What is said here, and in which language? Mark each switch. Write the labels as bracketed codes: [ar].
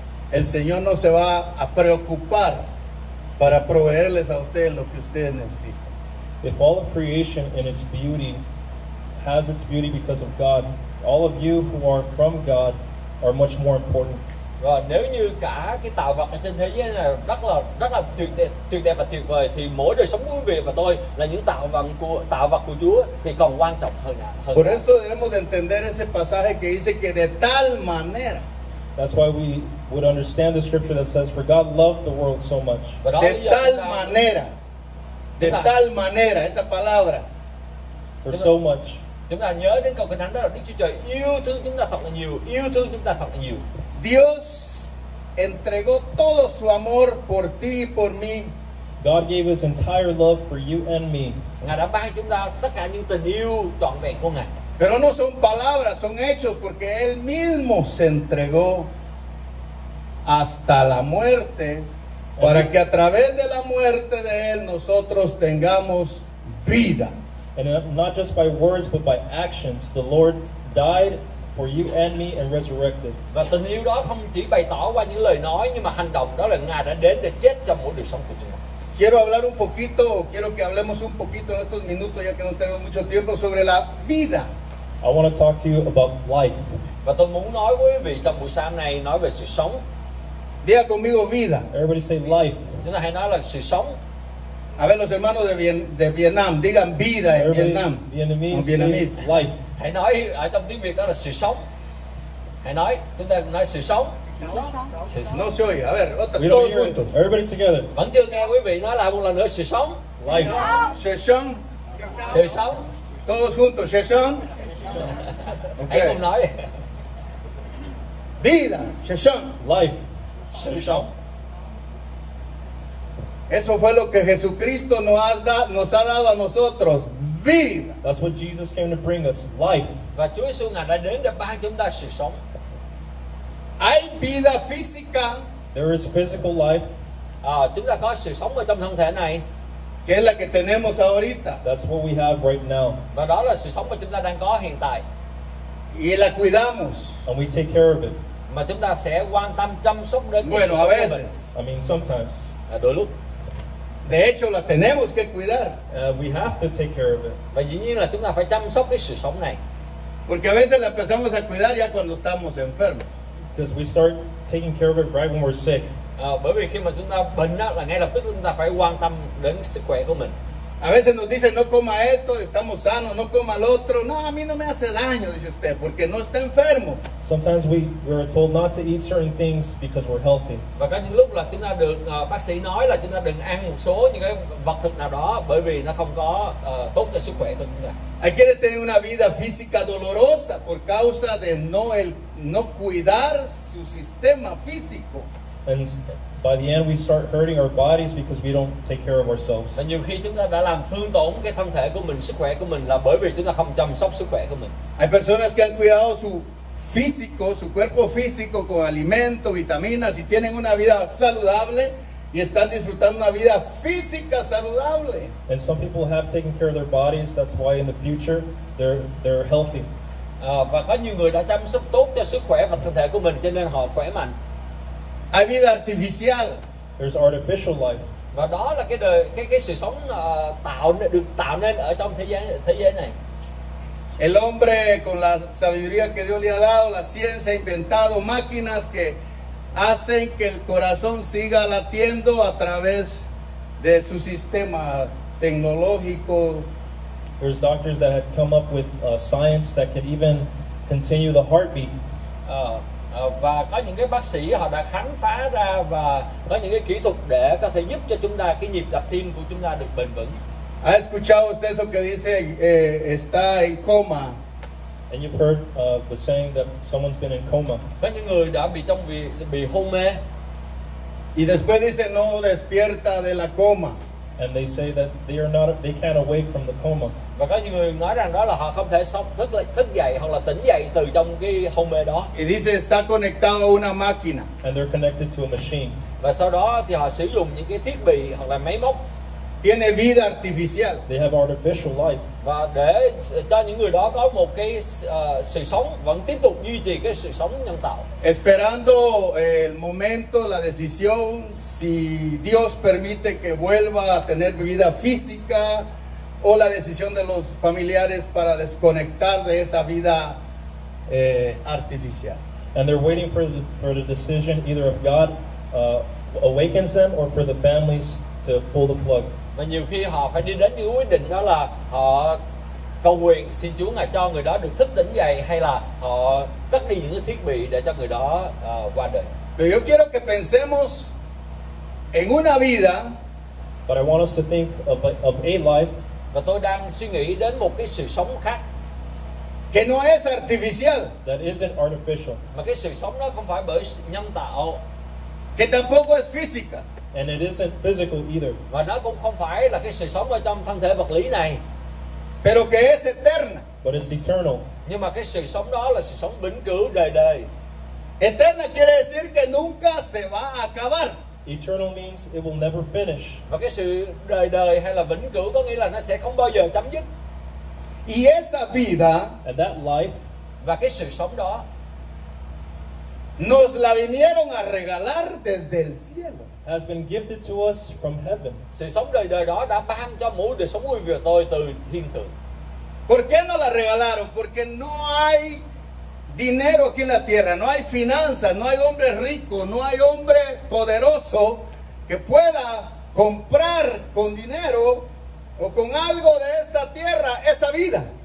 [es] El Señor no se va a preocupar para proveerles a ustedes lo que ustedes necesitan. [en] If all of creation in its beauty has its beauty because of God, all of you who are from God are much more important. [vi] Rồi, nếu như cả cái tạo vật trên thế giới này rất là tuyệt đẹp và tuyệt vời thì mỗi đời sống quý vị và tôi là những tạo vật của Chúa thì còn quan trọng hơn. [es] Por eso debemos de entender ese pasaje que dice que de tal manera. [en] That's why we would understand the scripture that says, for God loved the world so much. [es] De tal manera. De tal manera, esa palabra. [en] For so much. [vi] Chúng ta nhớ đến câu kinh thánh đó là Đức Chúa Trời yêu thương chúng ta thật là nhiều, yêu thương chúng ta thật là nhiều. [es] Dios entregó todo su amor por ti y por mí. [en] God gave his entire love for you and me. [vi] Ngài đã ban chúng ta tất cả những tình yêu trọn vẹn của Ngài. [es] Pero no son palabras, son hechos, porque él mismo se entregó hasta la muerte para que a través de la muerte de él nosotros tengamos vida. [en] And not just by words, but by actions, the Lord died for you and me and resurrected. [vi] Và tình yêu đó không chỉ bày tỏ qua những lời nói, nhưng mà hành động đó là Ngài đã đến để chết cho mỗi đời sống của chúng ta. [es] Quiero hablar un poquito, quiero que hablemos un poquito en estos minutos, ya que no tenemos mucho tiempo, sobre la vida. [en] I want to talk to you about life. [vi] Và tôi muốn nói với quý vị trong buổi sáng này, nói về sự sống. [es] Diga conmigo vida. [en] Everybody say life. [vi] Chúng ta hãy nói là sự sống. [es] A ver, los hermanos de Vietnam, digan vida en Vietnam. [en] Vietnamese. Life. [vi] Hãy nói ở trong tiếng Việt đó là sự sống. Hãy nói, chúng ta nói sự sống. [es] No se oye. A ver, todos juntos. [en] Everybody together. [vi] Vẫn chưa nghe quý vị nói lại một lần nữa sự sống. [en] Life. [vi] Sự sống. Sự sống. [es] Todos juntos, [vi] sự sống. Hãy cùng nói. [es] Vida, [vi] sự sống. [en] Life. [vi] Sự sống. [es] Eso fue lo que Jesucristo nos ha dado a nosotros, vida. [en] That's what Jesus came to bring us, life. [vi] Và Chúa Giêsu Ngài đã đến để ban chúng ta sự sống. [es] Hay vida física. [en] There is physical life. [vi] Chúng ta có sự sống ở trong thân thể này. [es] Que es la que tenemos ahorita. [en] That's what we have right now. [vi] Và đó là sự sống mà chúng ta đang có hiện tại. [es] Y la cuidamos. [en] And we take care of it. [vi] Mà chúng ta sẽ quan tâm chăm sóc đến cái sự sống. [es] Bueno, a veces. [en] I mean, sometimes. [vi] Đôi lúc. [es] De hecho, la tenemos que cuidar. [en] We have to take care of it. [vi] Và dĩ nhiên là chúng ta phải chăm sóc cái sự sống này. [es] Porque a veces la empezamos a cuidar ya cuando estamos enfermos. [en] Because we start taking care of it right when we're sick. [vi] Bởi vì khi mà chúng ta bệnh đó, là ngay lập tức chúng ta phải quan tâm đến sức khỏe của mình. [es] A veces nos dicen no coma esto, estamos sanos, no coma el otro. No, a mí no me hace daño, dice usted, porque no está enfermo. [en] Sometimes we are told not to eat certain things because we're healthy. [vi] Và có những lúc là chúng ta được bác sĩ nói là chúng ta đừng ăn một số những cái vật thực nào đó bởi vì nó không có tốt cho sức khỏe của chúng ta. [es] Hay quieres tener una vida física dolorosa por causa de no cuidar su sistema físico. [en] And by the end, we start hurting our bodies because we don't take care of ourselves. [vi] Và nhiều khi chúng ta đã làm thương tổn cái thân thể của mình, sức khỏe của mình là bởi vì chúng ta không chăm sóc sức khỏe của mình. [es] Hay personas que han cuidado su físico, su cuerpo físico con alimento, vitaminas y tienen una vida saludable y están disfrutando una vida física saludable. [en] And some people have taken care of their bodies. That's why in the future they're healthy. [vi] Và có nhiều người đã chăm sóc tốt cho sức khỏe và thân thể của mình, cho nên họ khỏe mạnh. [es] Hay vida artificial. [en] There's artificial life. [vi] Và đó là cái sự sống được tạo nên ở trong thế giới này. [es] El hombre con la sabiduría que Dios le ha dado, la ciencia ha inventado máquinas que hacen que el corazón siga latiendo a través de su sistema tecnológico. [en] There's doctors that have come up with science that could even continue the heartbeat. [vi] Và có những cái bác sĩ họ đã khám phá ra và có những cái kỹ thuật để có thể giúp cho chúng ta cái nhịp đập tim của chúng ta được bền vững. [es] ¿Ha escuchado usted eso que dice está en coma? [en] And you've heard the saying that someone's been in coma. [vi] Có những người đã bị hôn mê. [es] Y después dice no despierta de la coma. [en] And they say that they can't awake from the coma. [vi] Và có những người nói rằng đó là họ không thể sống thức dậy hoặc là tỉnh dậy từ trong cái hôn mê đó. [es] Y dice está conectado a una máquina. [en] And they're connected to a machine. [vi] Và sau đó thì họ sử dụng những cái thiết bị hoặc là máy móc. [es] Tiene vida artificial. [en] They have artificial life. [vi] Và để cho những người đó có một cái sự sống, vẫn tiếp tục duy trì cái sự sống nhân tạo. [es] Esperando el momento, la decisión, si Dios permite que vuelva a tener vida física o la decisión de los familiares para desconectar de esa vida artificial. [en] And they're waiting for the decision either of God awakens them or for the families to pull the plug. [vi] Và nhiều khi họ phải đi đến những quyết định đó là họ cầu nguyện xin Chúa Ngài cho người đó được thức tỉnh dậy hay là họ cất đi những cái thiết bị để cho người đó qua đời. [es] Pero yo quiero que pensemos en una vida [en] But I want us to think of a life. [vi] Và tôi đang suy nghĩ đến một cái sự sống khác. [es] Que no es artificial. [en] That isn't artificial. [vi] Mà cái sự sống đó không phải bởi nhân tạo. [es] Que tampoco es física. [en] And it isn't physical either. [vi] Và nó cũng không phải là cái sự sống ở trong thân thể vật lý này. [es] Pero que es eterna. [en] But it's eternal. [vi] Nhưng mà cái sự sống đó là sự sống vĩnh cửu đời đời. [es] Eterna quiere decir que nunca se va a acabar. [en] Eternal means it will never finish. [vi] Và cái sự đời đời hay là vĩnh cửu có nghĩa là nó sẽ không bao giờ chấm dứt. [es] Y esa vida. [en] And that life. [vi] Và cái sự sống đó. [es] Nos la vinieron a regalar desde el cielo. [en] Has been gifted to us from heaven. [vi] Sự sống đời đời đó đã ban cho mỗi đời sống của tôi từ thiên thượng. [es] ¿Por qué no la regalaron? Porque no hay dinero aquí en la tierra, no hay finanzas, no hay hombre rico, no hay hombre poderoso que pueda comprar con dinero o con algo de esta tierra esa vida.